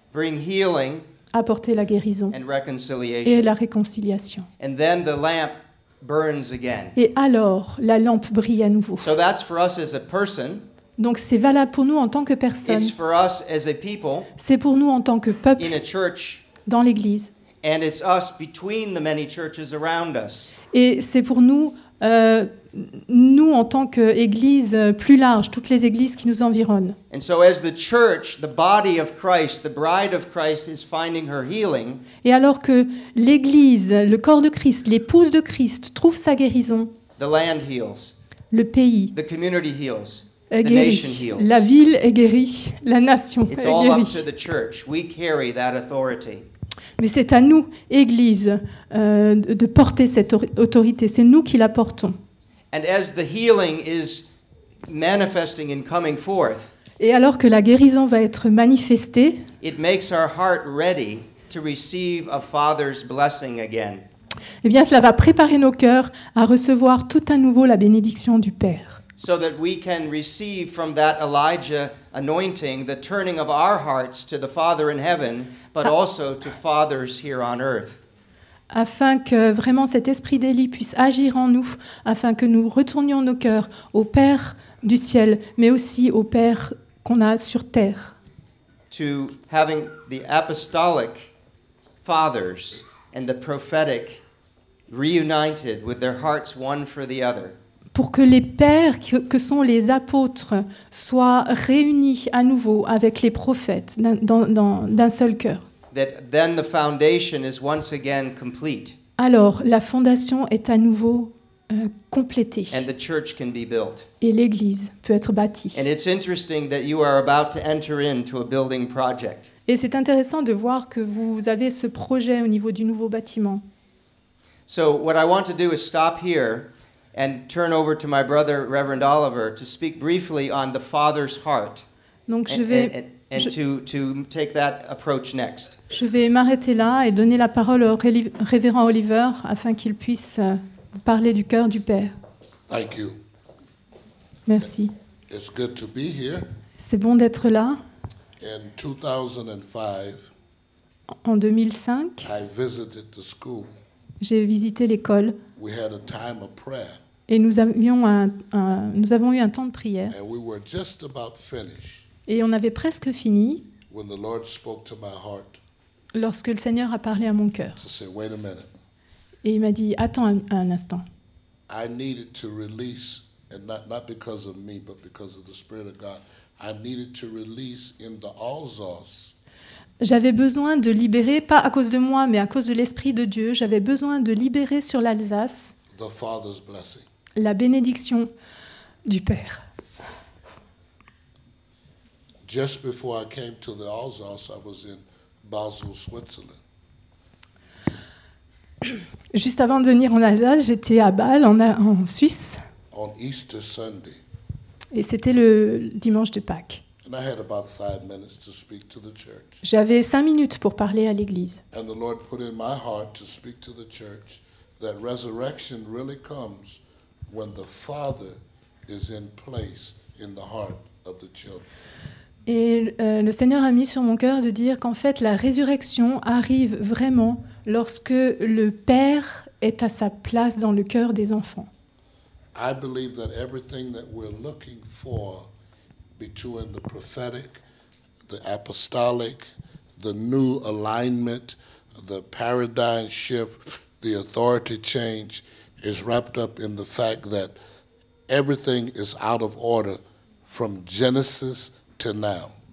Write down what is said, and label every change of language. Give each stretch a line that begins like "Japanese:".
English: Bring healing.
French: apporter la guérison et la réconciliation.
English: And then the lamp burns again.
French: Et alors, la lampe brille à nouveau.
English: So that's for us as a person.
French: Donc c'est valable pour nous en tant que personne.
English: It's for us as a people.
French: C'est pour nous en tant que peuple.
English: In a church.
French: Dans l'église.
English: And it's us between the many churches around us.
French: Et c'est pour nous, nous en tant qu'église plus large, toutes les églises qui nous environnent.
English: And so as the church, the body of Christ, the bride of Christ is finding her healing.
French: Et alors que l'église, le corps de Christ, l'épouse de Christ trouve sa guérison.
English: The land heals.
French: Le pays.
English: The community heals.
French: Est guérie.
English: The nation heals.
French: La ville est guérie, la nation
English: it's
French: est guérie.
English: It's all up to the church. We carry that authority.
French: Mais c'est à nous, Église, de porter cette autorité. C'est nous qui la portons.
English: And as the healing is manifesting and coming forth,
French: et alors que la guérison va être manifestée,
English: it makes our heart ready to receive a Father's blessing again.
French: Eh bien, cela va préparer nos cœurs à recevoir tout à nouveau la bénédiction du Père.
English: So that we can receive from that Elijah anointing the turning of our hearts to the Father in heaven, but also to fathers here on earth.
French: Afin que vraiment cet esprit d'Élie puisse agir en nous, afin que nous retournions nos cœurs au Père du ciel, mais aussi au Père qu'on a sur terre.
English: To having the apostolic fathers and the prophetic reunited with their hearts one for the other.
French: Pour que les pères que sont les apôtres soient réunis à nouveau avec les prophètes d'un seul cœur.
English: That then the foundation is once again complete.
French: Alors, la fondation est à nouveau complétée.
English: And the church can be built.
French: Et l'église peut être bâtie.
English: And it's interesting that you are about to enter into a building project.
French: Et c'est intéressant de voir que vous avez ce projet au niveau du nouveau bâtiment.
English: So what I want to do is stop here. And turn over to my brother, Reverend Oliver, to speak briefly on the Father's heart.
French: Donc je vais
English: to take that approach next.
French: Je vais m'arrêter là et donner la parole au révérend Oliver afin qu'il puisse parler du cœur du Père.
English: Thank you.
French: Merci.
English: It's good to be here.
French: C'est bon d'être là.
English: In 2005.
French: En 2005.
English: I visited the school.
French: J'ai visité l'école.
English: We had a time of prayer.
French: Et nous avons eu un temps de prière.
English: And we were just about finished.
French: Et on avait presque fini.
English: When the Lord spoke to my heart.
French: Lorsque le Seigneur a parlé à mon cœur.
English: To say, wait a minute.
French: Et il m'a dit, attends un instant.
English: I needed to release, and not because of me, but because of the Spirit of God. I needed to release in the Alzos.
French: J'avais besoin de libérer, pas à cause de moi, mais à cause de l'Esprit de Dieu, j'avais besoin de libérer sur l'Alsace
English: the Father's blessing.
French: La bénédiction du Père.
English: Just before I came to the Alsace, I was in Basel, Switzerland.
French: Juste avant de venir en Alsace, j'étais à Bâle, en Suisse.
English: On Easter Sunday.
French: Et c'était le dimanche de Pâques.
English: And I had about 5 minutes to speak to the church.
French: J'avais 5 minutes pour parler à l'église.
English: And the Lord put in my heart to speak to the church that resurrection really comes when the Father is in place in the heart of the children.
French: Et le Seigneur a mis sur mon cœur de dire qu'en fait la résurrection arrive vraiment lorsque le Père est à sa place dans le cœur des enfants.
English: I believe that everything that we're looking for between the prophetic, the apostolic, the new alignment, the paradigm shift, the authority change is wrapped up in the fact that everything is out of order from Genesis to now.